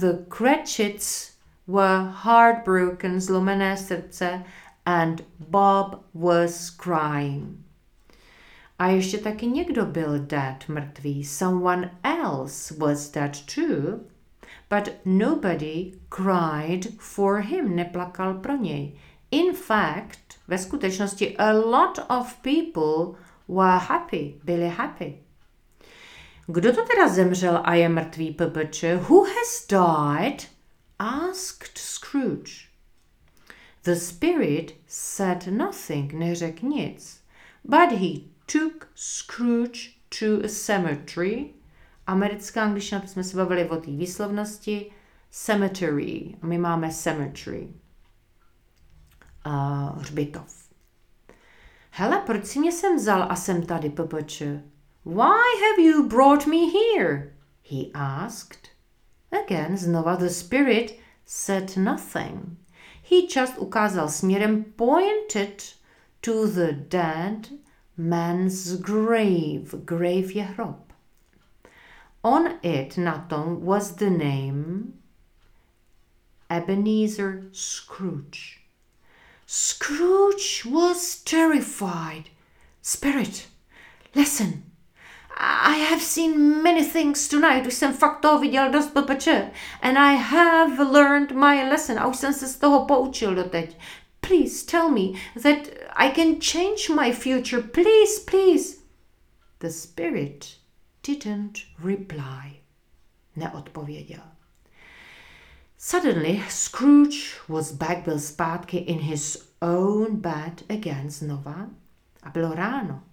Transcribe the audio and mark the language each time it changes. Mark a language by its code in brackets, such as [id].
[en] The Cratchits were heartbroken, [cs] zlomené srdce, [en] and Bob was crying. [cs] A ještě taky někdo byl dead, mrtvý. [en] Someone else was dead too, but nobody cried for him, [cs] neplakal pro něj. [en] In fact, [cs] ve skutečnosti, [en] a lot of people were happy, byli happy. [cs] Kdo to teda zemřel a je mrtvý, PBČ? [en] Who has died? Asked Scrooge. The spirit said nothing, [cs] neřek nic, [en] but he took Scrooge to a cemetery. [cs] Americká angličtina, jsme se bavili o té výslovnosti. Cemetery. My máme cemetery. Hřbitov. Hele, proč si mě sem vzal a jsem tady, PBČ? [en] Why have you brought me here? He asked. Again, znova the spirit said nothing. He just [cs] ukázal směrem, [en] pointed to the dead man's grave. [cs] Grave je hrob. [en] On it, [cs] na tom, [en] was the name Ebenezer Scrooge. Scrooge was terrified. Spirit, listen. I have seen many things tonight. [cs] Už jsem fakt toho viděl dost, blbče. [en] And I have learned my lesson. [cs] A už jsem se z toho poučil doteď. [en] Please tell me that I can change my future. Please, please. The spirit didn't reply. Neodpověděl. Suddenly, Scrooge was back, [cs] byl zpátky [en] in his own bed again, znova. [cs] A bylo ráno.